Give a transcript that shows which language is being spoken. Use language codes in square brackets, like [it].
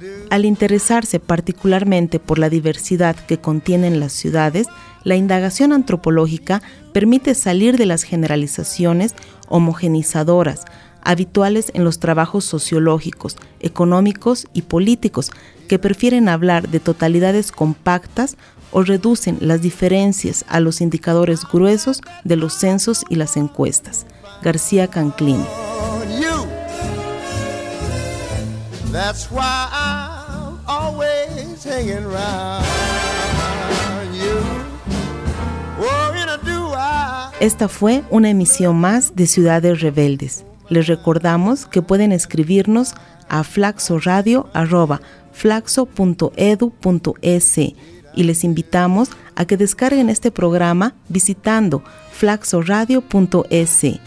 [es] Al interesarse particularmente por la diversidad que contienen las ciudades, la indagación antropológica permite salir de las generalizaciones homogenizadoras habituales en los trabajos sociológicos, económicos y políticos, que prefieren hablar de totalidades compactas o reducen las diferencias a los indicadores gruesos de los censos y las encuestas. García Canclini. [en] That's why I'm always hanging around you. Oh, and I do. [es] Esta fue una emisión más de Ciudades Rebeldes. Les recordamos que pueden escribirnos a flaxoradio@flaxo.edu.es y les invitamos a que descarguen este programa visitando flaxoradio.es.